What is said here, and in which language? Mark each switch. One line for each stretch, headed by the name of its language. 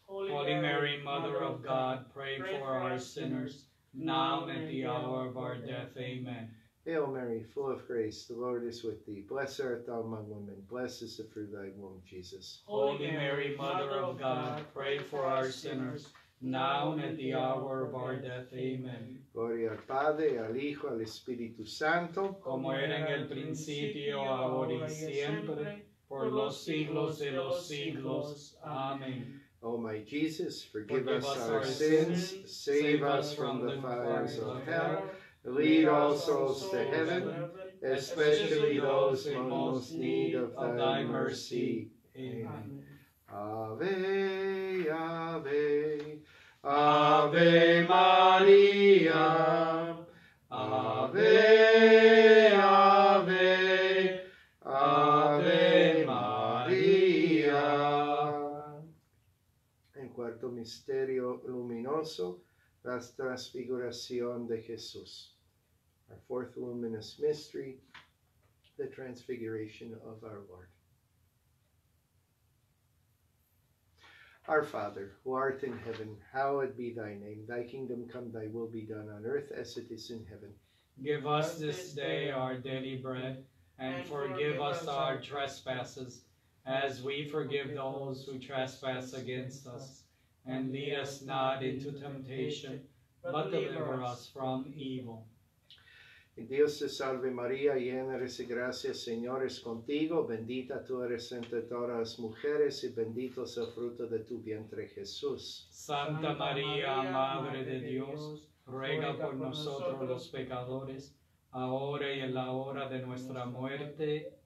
English: Holy Mary, Mother of God, pray for our sinners, now and at the hour of our death. Amen. Hail Mary, full of grace, the Lord is with thee. Blessed art thou among women, blessed is the fruit of thy womb, Jesus. Holy Mary, Mother of God, pray for our sinners, now and at the hour of our death. Amen.
Spanish: Gloria al Padre, al Hijo, al Espíritu Santo, como era en el principio, ahora y siempre, por los siglos de los siglos. Amen.
English: O my Jesus, forgive us our sins, save us from the fires of hell, lead all souls to heaven, especially those in most need of thy mercy.
Latin: Amen. Ave, ave, ave Maria, ave, ave, ave Maria.
Spanish: En cuarto misterio luminoso, la transfiguración de Jesús.
English: Our fourth luminous mystery, the transfiguration of our Lord. Our Father, who art in heaven, hallowed be thy name. Thy kingdom come, thy will be done on earth as it is in heaven. Give us this day our daily bread, and forgive us our trespasses, as we forgive those who trespass against us. And lead us not into temptation, but deliver us from evil.
Spanish: Dios te salve María, llena eres de gracia, Señor es contigo, bendita tú eres entre todas las mujeres y bendito es el fruto de tu vientre Jesús. Santa María, Madre de Dios, ruega por nosotros los pecadores, ahora y en la hora de nuestra muerte.